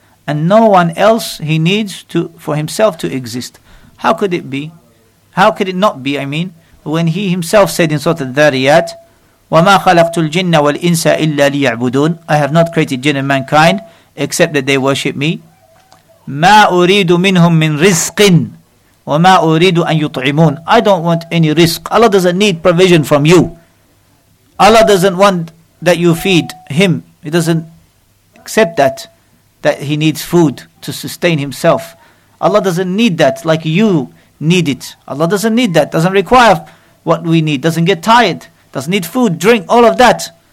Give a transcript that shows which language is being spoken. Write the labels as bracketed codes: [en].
[en] And no one else he needs to for himself to exist. How could it be? How could it not be, I mean, when he himself said in Surah Al-Dhariyat, [ar] وَمَا خَلَقْتُ الْجِنَّ وَالْإِنسَ إِلَّا لِيَعْبُدُونَ [en] I have not created jinn and mankind except that they worship me. [ar] مَا أُرِيدُ مِنْهُمْ مِنْ رِزْقٍ وَمَا أُرِيدُ أَنْ يُطْعِمُونَ [en] I don't want any risk. Allah doesn't need provision from you. Allah doesn't want that you feed him. He doesn't accept that he needs food to sustain himself. Allah doesn't need that like you need it. Allah doesn't need that. Doesn't require what we need. Doesn't get tired. Doesn't need food, drink, all of that.